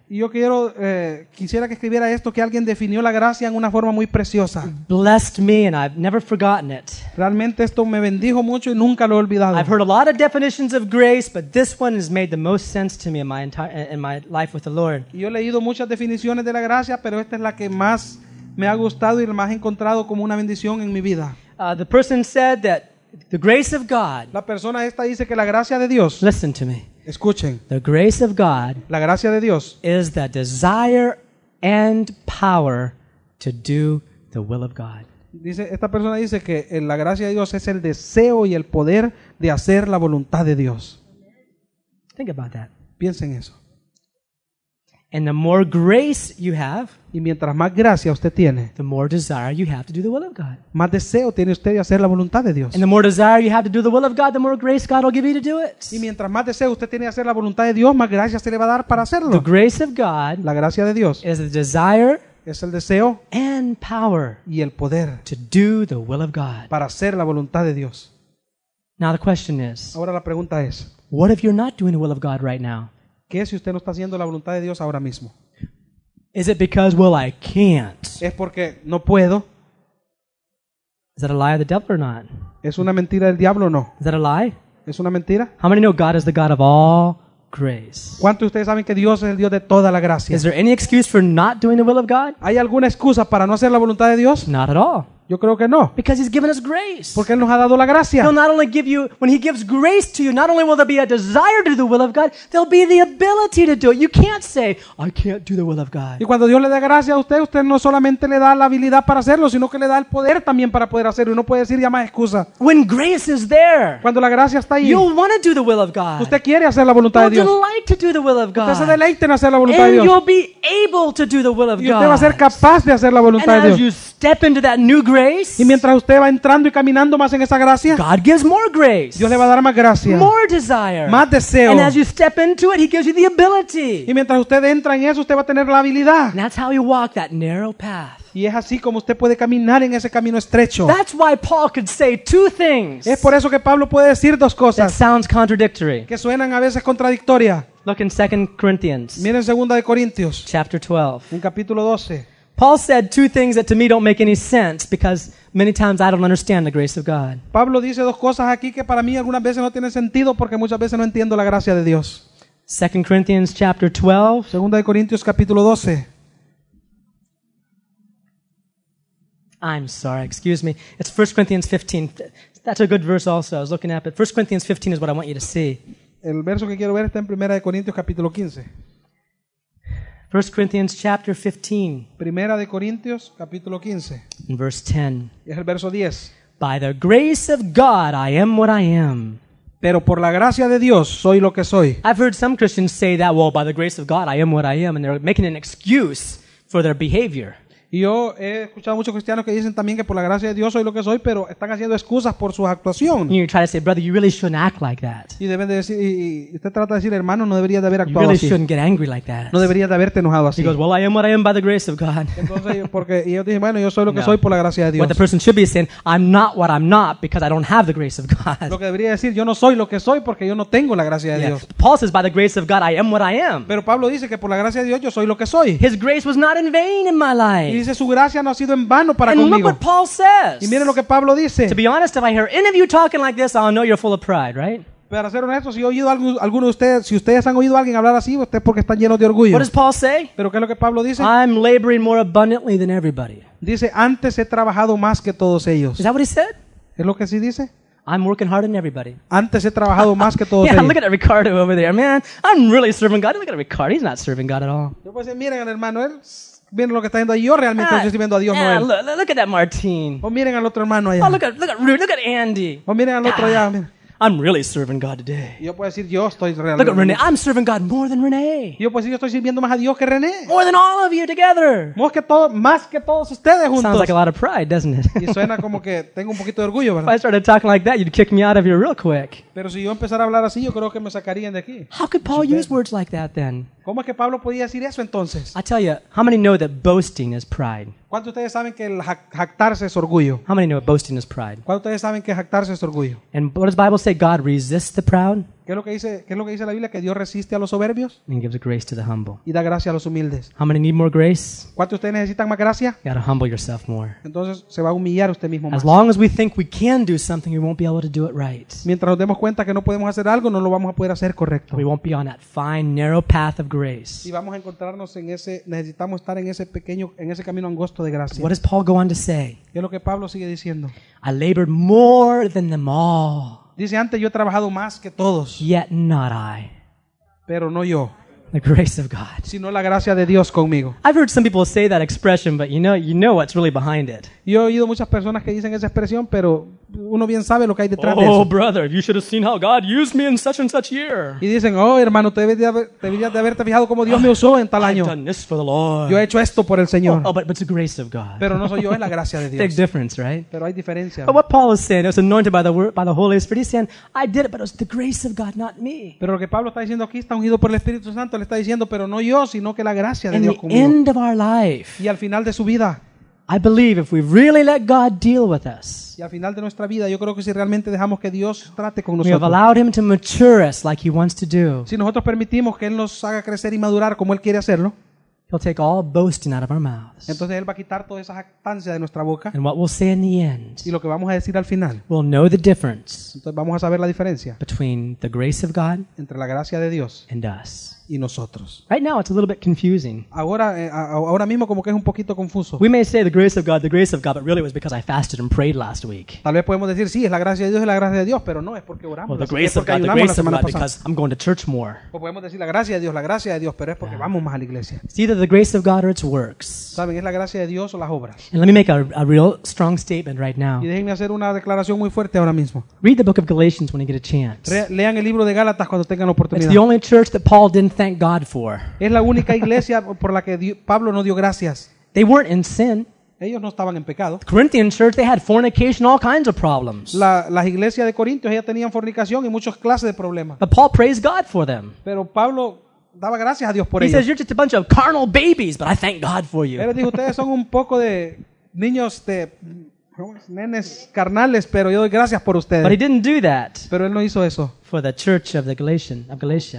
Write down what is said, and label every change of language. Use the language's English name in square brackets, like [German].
[Spanish] Yo quiero quisiera que escribiera esto que alguien definió la gracia en una forma muy preciosa. [English] Blessed me and I've never forgotten it. [Spanish] Realmente esto me bendijo mucho y nunca lo he olvidado. [English] I've heard a lot of definitions of grace, but this one has made the most sense to me in my life with the Lord. [Spanish] Yo he leído muchas definiciones de la gracia, pero esta es la que más me ha gustado y la más he encontrado como una bendición en mi vida. [English] The person said that the grace of God. [Spanish] La persona esta dice que la gracia de Dios. [English] Listen to me. [Spanish] Escuchen. [English] The grace of God, [Spanish] la gracia de Dios, [English] is the desire and power to do the will of God. [Spanish] Dice, esta persona dice que la gracia de Dios es el deseo y el poder de hacer la voluntad de Dios. [English] Think about that. [Spanish] Piensa en eso. [English] And the more grace you have, [Spanish] y mientras más gracia usted tiene, [English] the more desire you have to do the will of God. [Spanish] Más deseo tiene usted de hacer la voluntad de Dios. [English] And the more desire you have to do the will of God, the more grace God will give you to do it. [Spanish] Y mientras más deseo usted tiene de hacer la voluntad de Dios, más gracia se le va a dar para hacerlo. [English] The grace of God, [Spanish] la gracia de Dios, [English] is the desire, [Spanish] es el deseo, [English] and power, [Spanish] y el poder, [English] to do the will of God, [Spanish] para hacer la voluntad de Dios. [English] Now the question is, [Spanish] ahora la pregunta es, [English] what if you're not doing the will of God right now? [Spanish] ¿Qué si usted no está haciendo la voluntad de Dios ahora mismo? [English] Is it because, well, I can't? [Spanish] ¿Es porque no puedo? [English] Is that a lie of the devil or not? [Spanish] ¿Es una mentira del diablo o no? [English] Is that a lie? [Spanish] ¿Es una mentira? [English] How many know God is the God of all grace? [Spanish] ¿Cuántos de ustedes saben que Dios es el Dios de toda la gracia? [English] Is there any excuse for not doing the will of God? [Spanish] ¿Hay alguna excusa para no hacer la voluntad de Dios? [English] Not at all. [Spanish] Yo creo que no. [English] Because he's given us grace. [Spanish] Porque él nos ha dado la gracia. [English] He'll not only give you, when he gives grace to you, not only will there be a desire to do the will of God, there'll be the ability to do it. You can't say, I can't do the will of God. [Spanish] Y cuando Dios le da gracia a usted, usted no solamente le da la habilidad para hacerlo, sino que le da el poder también para poder hacerlo. Uno puede decir ya más excusa. [English] When grace is there, [Spanish] cuando la gracia está ahí, [English] you'll want to do the will of God. [Spanish] Usted quiere hacer la voluntad de Dios. [English] You'll delight to do the will of God. [Spanish] Usted se deleita en hacer la voluntad [English] and [Spanish] de Dios. [English] And you'll be able to do the will of God. [Spanish] Y usted va a ser capaz de hacer la voluntad [English] and [Spanish] de Dios. [English] As you step into that new grace, [Spanish] y mientras usted va entrando y caminando más en esa gracia, [English] God gives more grace, [Spanish] Dios le va a dar más gracia, [English] more desire, [Spanish] más deseo. [English] And as you step into it, he gives you the ability. [Spanish] Y mientras usted entra en eso, usted va a tener la habilidad. [English] And that's how you walk that narrow path. [Spanish] Y es así como usted puede caminar en ese camino estrecho. [English] That's why Paul could say two things. [Spanish] Es por eso que Pablo puede decir dos cosas. [English] That sounds contradictory. [Spanish] Que suenan a veces contradictorias. [English] Look in 2 Corinthians. [Spanish] Miren 2 de Corintios. [English] Chapter 12. [Spanish] En capítulo 12. [English] Paul said two things that to me don't make any sense because many times I don't understand the grace of God. [Spanish] Pablo dice dos cosas aquí que para mí algunas veces no tiene sentido porque muchas veces no entiendo la gracia de Dios. [English] 2 Corinthians chapter 12. [Spanish] Segunda de Corintios capítulo 12. [English] I'm sorry, excuse me. It's 1 Corinthians 15. That's a good verse also. I was looking at it. 1 Corinthians 15 is what I want you to see. [Spanish] El verso que quiero ver está en Primera de Corintios capítulo 15. [English] 1 Corinthians chapter 15. [Spanish] Primera de Corintios, capítulo 15. [English] In verse 10. [Spanish] Es el verso 10. [English] By the grace of God, I am what I am. [Spanish] Pero por la gracia de Dios, soy lo que soy. [English] I've heard some Christians say that, well, by the grace of God, I am what I am, and they're making an excuse for their behavior. [Spanish] Y yo he escuchado muchos cristianos que dicen también que por la gracia de Dios soy lo que soy, pero están haciendo excusas por su actuación. [English] And you try to say, brother, you really shouldn't act like that. [Spanish] Y deben de decir, y usted trata de decir, hermano, no deberías de haber actuado [English] you really [Spanish] así. [English] Shouldn't get angry like that. [Spanish] No deberías de haberte enojado así. [English] He goes, well, I am what I am by the grace of God. [Spanish] Entonces, porque y ellos dicen, bueno, yo soy lo que soy por la gracia de Dios. [English] What the person should be saying, I'm not what I'm not because I don't have the grace of God. [Spanish] Lo que debería decir, yo no soy lo que soy porque yo no tengo la gracia de Dios. [English] Paul says, by the grace of God, I am what I am. [Spanish] Pero Pablo dice que por la gracia de Dios yo soy lo que soy. [English] His grace was not in vain in my life. [Spanish] Y dice, su gracia no ha sido en vano para [English] and [Spanish] conmigo. [English] Look what Paul says. [Spanish] Y miren lo que Pablo dice. [English] To be honest, if I hear any of you talking like this, I'll know you're full of pride, right? [Spanish] Para ser honesto, si he oído alguno de ustedes, si ustedes han oído a alguien hablar así, usted es porque están llenos de orgullo. [English] What does Paul say? [Spanish] Pero qué es lo que Pablo dice. [English] I'm laboring more abundantly than everybody. [Spanish] Dice, antes he trabajado más que todos ellos. [English] Is that what he said? [Spanish] Es lo que sí dice. [English] I'm working harder than everybody. [Spanish] Antes he trabajado más que todos ellos. [English] Yeah, look at Ricardo over there, man. I'm really serving God. Look at Ricardo. He's not serving God at all. [Spanish] Yo puedo decir, miren al hermano, él. Miren lo que está viendo ahí. Yo realmente estoy viendo a Dios, [English] Noel. Look at that Martin. [Spanish] O miren al otro hermano allá. [English] Oh, look at Rudy. Look at Andy. [Spanish] O miren al otro allá. Miren. [English] I'm really serving God today. [Spanish] Yo puedo decir, yo estoy realmente. [English] Look at Renee. I'm serving God more than Renee. [Spanish] Yo puedo decir, yo estoy sirviendo más a Dios que Renee. [English] More than all of you together. [Spanish] Más que todos ustedes juntos. [English] Sounds like a lot of pride, doesn't it? [Spanish] Y suena como que tengo un poquito de orgullo, ¿verdad? [English] If I started talking like that, you'd kick me out of here real quick. [Spanish] Pero si yo empezara a hablar así, yo creo que me sacarían de aquí. [English] How could Paul use words like that then? [Spanish] ¿Cómo es que Pablo podía decir eso entonces? [English] I tell you, how many know that boasting is pride? [Spanish] ¿Cuántos de ustedes saben que el jactarse es orgullo? [English] How many know boasting is pride? [Spanish] ¿Cuántos de ustedes saben que jactarse es orgullo? [English] And what does the Bible say? God resists the proud. [Spanish] ¿Qué es lo que dice la Biblia? Que Dios resiste a los soberbios. [English] And gives grace to the humble. [Spanish] Y da gracia a los humildes. [English] How many need more grace? [Spanish] ¿Cuántos de ustedes necesitan más gracia? [English] You gotta humble yourself more. [Spanish] Entonces se va a humillar usted mismo más. [English] As long as we think we can do something, we won't be able to do it right. [Spanish] Mientras nos demos cuenta que no podemos hacer algo, no lo vamos a poder hacer correcto. [English] We won't be on that fine narrow path of grace. [Spanish] Y vamos a encontrarnos en ese, necesitamos estar en ese pequeño, en ese camino angosto. [English] What does Paul go on to say? [Spanish] ¿Qué es lo que Pablo sigue diciendo? [English] I labored more than them all. [Spanish] Dice, antes yo he trabajado más que todos. [English] Yet not I. [Spanish] Pero no yo. [English] The grace of God. [Spanish] Sino la gracia de Dios conmigo. [English] I've heard some people say that expression, but you know what's really behind it. [Spanish] Yo he oído muchas personas que dicen esa expresión, pero uno bien sabe lo que hay detrás oh, de eso. [English] Oh, brother, you should have seen how God used me in such and such year. [Spanish] Y dicen, oh, hermano, te debías de haberte fijado cómo Dios me usó en tal año. [English] I've done this for the Lord. [Spanish] Yo he hecho esto por el Señor. [English] Oh, but it's the grace of God. [Spanish] Pero no soy yo, es la gracia de Dios. [English] Big difference, right? [Spanish] Pero hay diferencia. [English] But what Paul is saying, it was anointed by the word, by the Holy Spirit. He's saying, I did it, but it was the grace of God, not me. [Spanish] Pero lo que Pablo está diciendo aquí está ungido por el Espíritu Santo. Le está diciendo, pero no yo, sino que la gracia de [English] In [Spanish] Dios [English] the [Spanish] conmigo. [English] End of our life, [Spanish] y al final de su vida, [English] I believe if we really let God deal with us, [Spanish] y al final de nuestra vida, yo creo que si realmente dejamos que Dios trate con nosotros, [English] we have allowed Him to mature us like He wants to do. [Spanish] Si nosotros permitimos que Él nos haga crecer y madurar como Él quiere hacerlo, [English] He'll take all boasting out of our mouths. [Spanish] Entonces Él va a quitar toda esa jactancia de nuestra boca. [English] And what we'll say in the end, [Spanish] y lo que vamos a decir al final, [English] we'll know the difference. [Spanish] Entonces vamos a saber la diferencia [English] between the grace of God, [Spanish] entre la gracia de Dios, [English] and us. [Spanish] Y nosotros. [English] Right now it's a little bit confusing. [Spanish] Ahora mismo como que es un poquito confuso. [English] We may say the grace of God, but really it was because I fasted and prayed last week. [Spanish] Tal vez podemos decir sí, es la gracia de Dios, es la gracia de Dios, pero no es porque oramos. [English] Well, the grace of God, the grace of God, because I'm going to church more. [Spanish] O podemos decir la gracia de Dios, pero es porque vamos más a la iglesia. [English] It's either the grace of God or its works. [Spanish] ¿Saben? Es la gracia de Dios o las obras. [English] And let me make a real strong statement right now. [Spanish] Y déjenme hacer una declaración muy fuerte ahora mismo. [English] Read the book of Galatians when you get a chance. [Spanish] Lean el libro de Gálatas cuando tengan oportunidad. [English] It's the only church that Paul didn't thank God for. [Spanish] Es la única iglesia por la que Pablo no dio gracias. [English] They weren't in sin. [Spanish] Ellos no estaban en pecado. [English] The Corinthian church, they had fornication, all kinds of problems. [Spanish] La iglesia de Corintios, ellas tenían fornicación y muchas clases de problemas. [English] But Paul praised God for them. [Spanish] Pero Pablo daba gracias a Dios por [English] He [Spanish] ellos. [English] Says, you're just a bunch of carnal babies, but I thank God for you. [Spanish] Él dijo, ustedes son un poco de niños de nenes carnales, pero yo doy gracias por ustedes. [English] But he didn't do that. [Spanish] Pero él no hizo eso. [English] For the church of the Galatian, of Galatia.